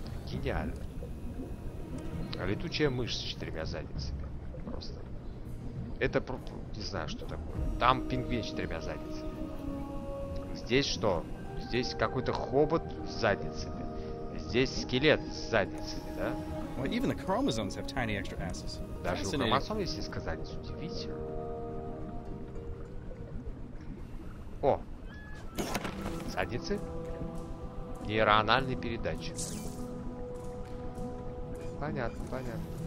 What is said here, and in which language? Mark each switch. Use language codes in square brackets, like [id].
[ru] Гениально. А летучая мышь с четырьмя задницами. Просто. Это, не знаю, что такое. Там пингвин с четырьмя задницами. Здесь что? Здесь какой-то хобот с задницами. Здесь скелет с задницами, да? [en] Well, even the chromosomes have tiny extra asses. [ru] Даже у хромосом есть из задниц. Удивительно. О! Задницы? Нейрональный передатчик. Понятно, понятно.